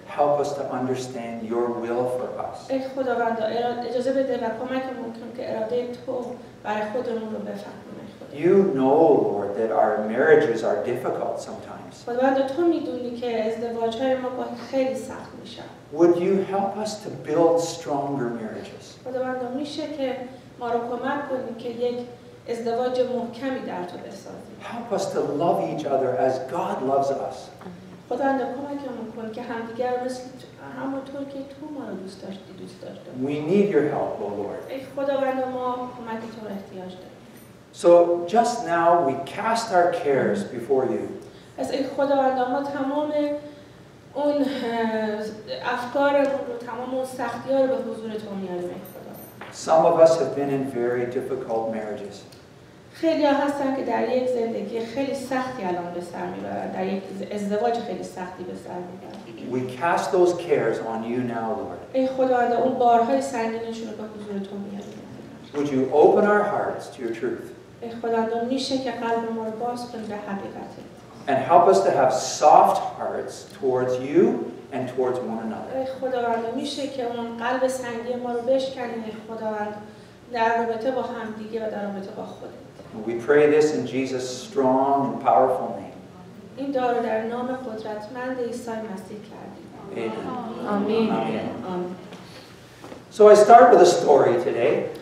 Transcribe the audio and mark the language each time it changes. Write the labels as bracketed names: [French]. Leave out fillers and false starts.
[English] Help us to understand your will for us. [Persian] ای خداوند اجازه بده و کمک ممکن که اراده تو برای خودمون رو بفهمیم. [English] You know, Lord, that our marriages are difficult sometimes. [Persian] خداوند تو میدونی که ازدواج های ما خیلی سخت میشن. [English] Would you help us to build stronger marriages? [Persian] خداوند میشه که ما رو کمک کنی که یک ازدواج محکمی در تو بسازیم. [English] Help us to love each other as God loves us. [Persian] خداوند کمک کن که همدیگر مثل همونطور که تو ما رو دوست داشتی دوست داشته. [English] We need your help, O Lord. [Persian] ای خداوند ما کمک تو نیاز داریم. [English] So just now we cast our cares before you. [Persian] از ای خداوند ما تمام اون افکار رو تمام اون سختی ها رو به حضور تو میاریم. [English] Some of us have been in very difficult marriages. [Persian] خیلی‌ها هستن که در یک زندگی خیلی سختی الان به سر می‌برن، در یک ازدواج خیلی سختی به سر می‌برن. [English] We cast those cares on you now, Lord. [Persian] ای خداوند، اون بارهای سنگینشون رو به حضور تو میاریم. [English] Would you open our hearts to your truth? [Persian] ای خداوند، میشه که قلب ما رو باز کنی به حقیقت. [English] And help us to have soft hearts towards you and towards one another. [Persian] ای خداوند میشه که اون قلب سنگی ما رو بشکنی ای خداوند در رابطه با هم دیگه و در رابطه با خودت. [English] We pray this in Jesus' strong and powerful name. [Persian] این دعا رو در نام قدرتمند عیسی مسیح کردیم. آمین. [English] So I start with a story today.